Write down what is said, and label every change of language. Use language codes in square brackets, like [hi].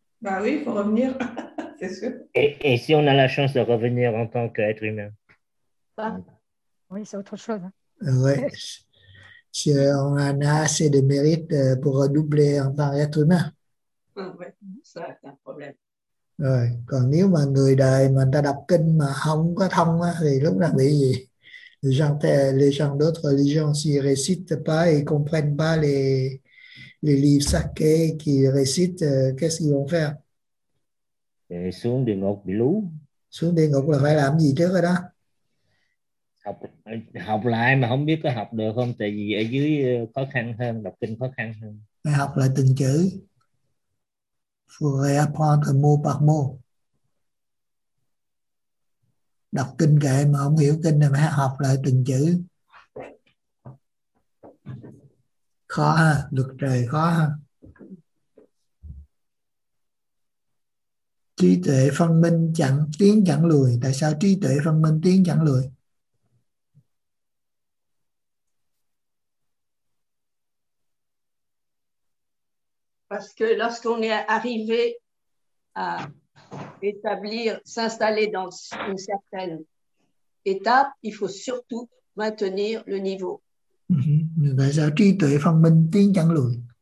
[fr] Bah oui, il faut revenir, c'est sûr. Et si on a la chance de revenir en tant qu'être humain? Ah. Oui, c'est autre chose. Oui. Si on en a assez de mérite pour redoubler en tant qu'être humain. Ah, oui, ça, c'est un problème. [vi] Rồi. Còn nếu mà người đời mà ta đọc kinh mà không có thông thì lúc nào bị gì? [fr] Les gens d'autres religions, s'ils ne récitent pas et ne comprennent pas les livres sacrés qu'ils récitent, qu'est-ce qu'ils vont faire? [vi] Et xuống địa ngục bị lú. Xuống địa ngục là phải làm gì trước rồi đó? Học lại mà không biết có học được không, tại vì ở dưới khó khăn hơn, đọc kinh khó khăn hơn. Phải học lại từng chữ. [fr] Faut apprendre mot par mot. [vi] Đọc kinh kệ mà không hiểu kinh thì phải học lại từng chữ. Khó ha, được trời khó ha. Trí tuệ phân minh chẳng tiến chẳng lùi. Tại sao trí tuệ phân minh tiến chẳng lùi? [fr] Parce que lorsqu'on est arrivé à établir, s'installer dans une certaine étape, il faut surtout maintenir le niveau. [vi] Tại sao trí tuệ phân minh tiến chẳng lùi?